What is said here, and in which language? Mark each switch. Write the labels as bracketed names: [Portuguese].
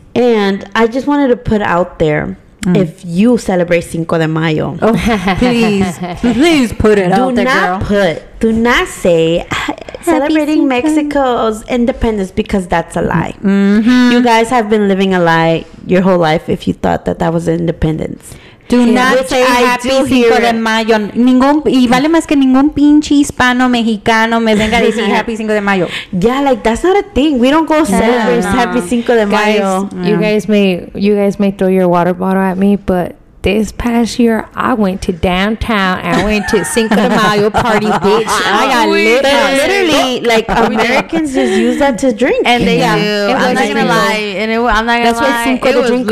[English] And I just wanted to put out there, if you celebrate Cinco de Mayo, please put it out there. Do not say celebrating Mexico's independence, because that's a lie. You guys have been living a lie your whole life if you thought that was independence. Do not say happy Cinco de Mayo. [Spanish] Y vale más que ningún pinche hispano mexicano me venga a decir happy Cinco de Mayo. [English] Yeah, like, that's not a thing. We don't go celebrate happy Cinco de Mayo. You guys may throw your water bottle at me, but this past year, I went to downtown. I went to Cinco de Mayo party, bitch. I got lit. Literally, like, Americans just use that to drink. And they do. I'm not going to lie. And it, I'm not going to lie. That's why Cinco de Drinko.